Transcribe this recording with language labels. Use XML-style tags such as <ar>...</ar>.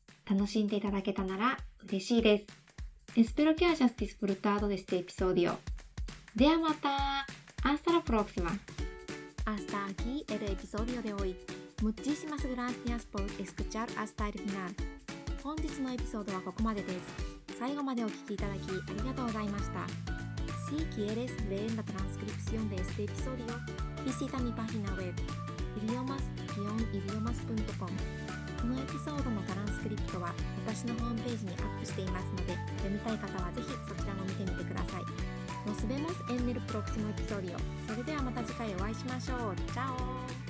<ja>楽しんでいただけたなら嬉しいです。</ja> <es>Espero que hayas disfrutado de este episodio. ¡Dea mata! ¡Hasta la próxima! Hasta aquí el episodio de hoy. Muchísimas gracias por escuchar hasta el final.</es> <ja>本日のエピソードはここまでです。最後までお聞きいただきありがとうございました。</ja> <es>Si quieres leer la transcripción de este episodio, visita mi página web idiomas-idiomas.com.</es> <ja>このエピソードのトランスクリプトは私のホームページにアップしていますので、読みたい方はぜひそちらも見てみてください。</ja> <es>Nos vemos en el próximo episodio.</es> <ja>それではまた次回お会いしましょう。チャオ。</ja>